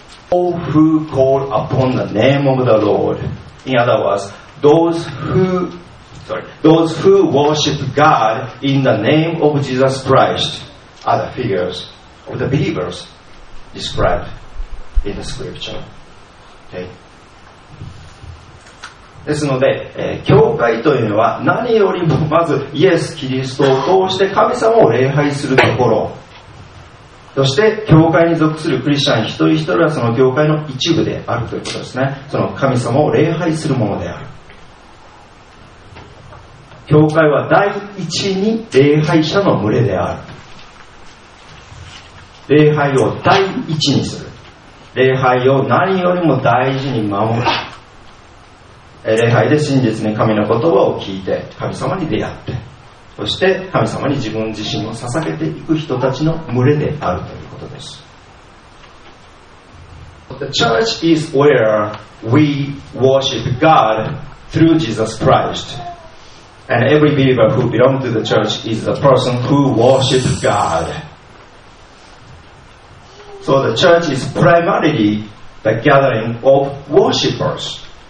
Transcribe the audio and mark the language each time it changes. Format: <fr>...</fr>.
<en>All who call upon the name of the Lord. In other words, those who worship God in the name of Jesus Christ are the figures of the believers described in the scripture. Okay.</en> <ja>ですので、教会というのは何よりもまずイエス・キリストを通して神様を礼拝するところ、そして教会に属するクリスチャン一人一人はその教会の一部であるということですね。その神様を礼拝するものである。教会は第一に礼拝者の群れである。礼拝を第一にする、礼拝を何よりも大事に守る、礼拝で真実に神の言葉を聞いて神様に出会って、そして神様に自分自身を捧げていく人たちの群れであるということです。</ja> <en>The church is where we worship God through Jesus ChristAnd every believer who belongs to the church is a person who worships God. So the church is primarily the gathering of worshippers.</en>